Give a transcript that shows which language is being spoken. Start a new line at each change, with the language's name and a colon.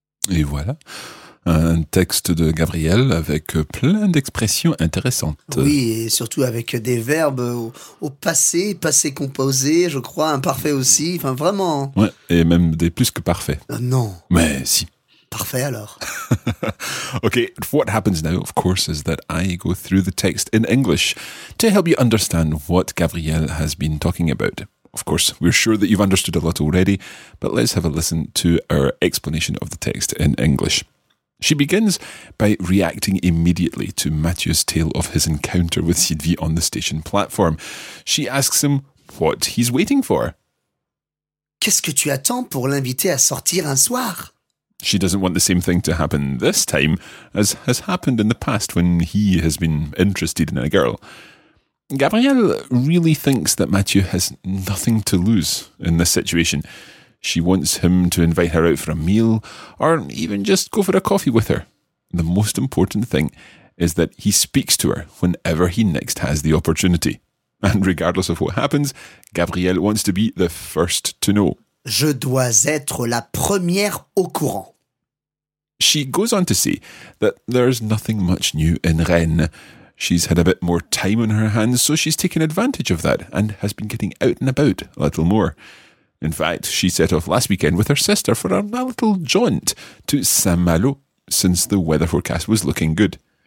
French: Et voilà, un texte de Gabriel avec plein d'expressions intéressantes. Oui, et surtout avec des verbes au passé, passé composé, je crois, imparfait aussi, enfin vraiment. Ouais, et même des plus que parfaits. Non. Mais si. Parfait alors.
English: Okay, what happens now, of course, is that I go through the text in English to help you understand what Gabriel has been talking about. Of course, we're sure that you've understood a lot already, but let's have a listen to our explanation of the text in English. She begins by reacting immediately to Mathieu's tale of his encounter with Sylvie on the station platform. She asks him what he's waiting for.
French: Qu'est-ce que tu attends pour l'inviter à sortir un soir?
English: She doesn't want the same thing to happen this time as has happened in the past when he has been interested in a girl. Gabriel really thinks that Mathieu has nothing to lose in this situation. She wants him to invite her out for a meal or even just go for a coffee with her. The most important thing is that he speaks to her whenever he next has the opportunity. And regardless of what happens, Gabriel wants to be the first to know.
French: Je dois être la première au courant.
English: She goes on to say that there's nothing much new in Rennes. She's had a bit more time on her hands, so she's taken advantage of that and has been getting out and about a little more. In fact, she set off last weekend with her sister for a little jaunt to Saint-Malo, since the weather forecast was looking good.